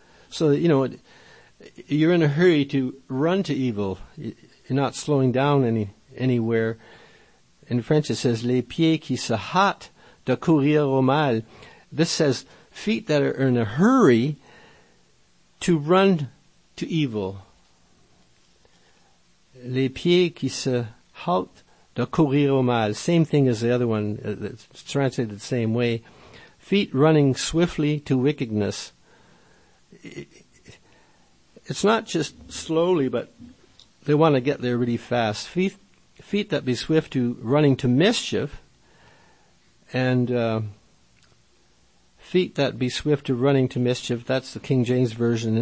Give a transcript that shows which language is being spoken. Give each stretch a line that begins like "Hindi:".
English: So, you know, you're in a hurry to run to evil. You're not slowing down anywhere. In French it says,
French: les pieds qui se hâtent de courir au mal.
English: This says, feet that are in a hurry to run to evil.
French: Les pieds qui se hâtent de courir au mal.
English: Same thing as the other one. It's translated the same way. Feet running swiftly to wickedness. It's not just slowly, but they want to get there really fast. Feet that be swift to running to mischief, and feet that be swift to running to mischief, that's the King James Version.